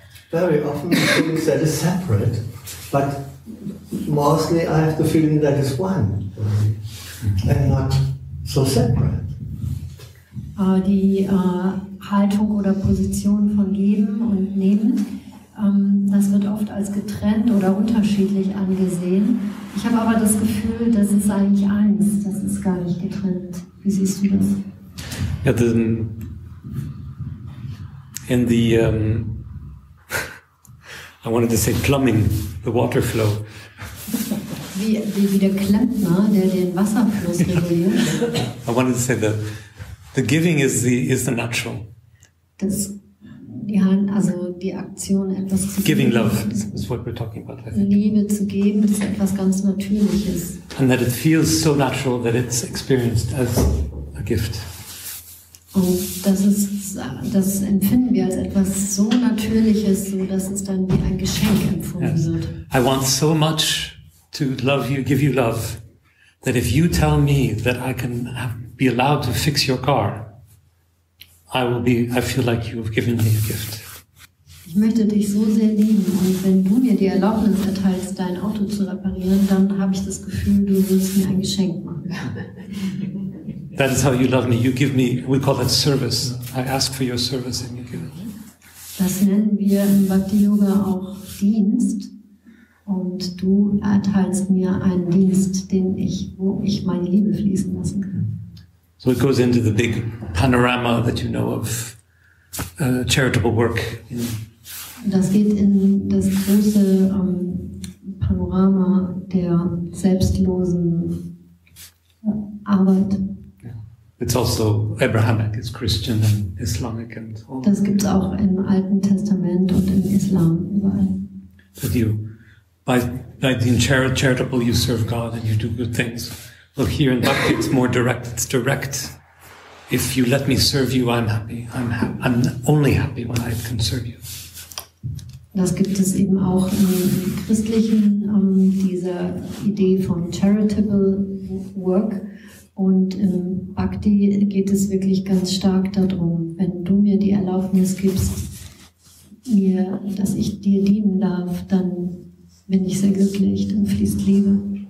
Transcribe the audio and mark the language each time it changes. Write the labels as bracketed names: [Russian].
[English] Very often the feeling that is separate, but mostly I have the feeling that it's one and not so separate. [German] Die Haltung oder Position von Geben und Nehmen Das wird oft als getrennt oder unterschiedlich angesehen. Ich habe aber das Gefühl, das ist eigentlich eins, das ist gar nicht getrennt. Wie siehst du das? Ja, dann [English] in the I wanted to say plumbing, the water flow. [German] Wie der Klempner, der den Wasserfluss reguliert. [English] I wanted to say the giving is the natural. [German] Das die Hand, also die Aktion, etwas zu [English] giving Love is what we're talking about. [German] Liebe zu geben, das ist etwas ganz Natürliches. [English] And that it feels so natural that it's experienced as a gift. [German] Und das empfinden wir als etwas so Natürliches, so dass es dann wie ein Geschenk empfunden [English] yes. [German] wird. [English] I want so much to love you, give you love, that if you tell me that I can be allowed to fix your car, I feel like you have given me a gift. [German] Ich möchte dich so sehr lieben, und wenn du mir die Erlaubnis erteilst, dein Auto zu reparieren, dann habe ich das Gefühl, du willst mir ein Geschenk machen. [English] That is how you love me. You give me, we call that service. I ask for your service and you give it. [German] Das nennen wir im Bhakti Yoga auch Dienst. Und du erteilst mir einen Dienst, wo ich meine Liebe fließen lassen kann. [English] So it goes into the big panorama that you know of charitable work. [German] Das geht in das große Panorama der selbstlosen Arbeit. [English] It's also Abrahamic, it's Christian and Islamic and all. [German] Das gibt's auch im Alten Testament und im Islam überall. [English] But you, by being charitable, you serve God and you do good things. Well, here in Bhakti, it's more direct. It's direct. If you let me serve you, I'm happy. I'm only happy when I can serve you. [German] Das gibt es eben auch im Christlichen, diese Idee von [English] charitable work. [German] Und im Bhakti geht es wirklich ganz stark darum, wenn du mir die Erlaubnis gibst, dass ich dir dienen darf, dann bin ich sehr glücklich, dann fließt Liebe.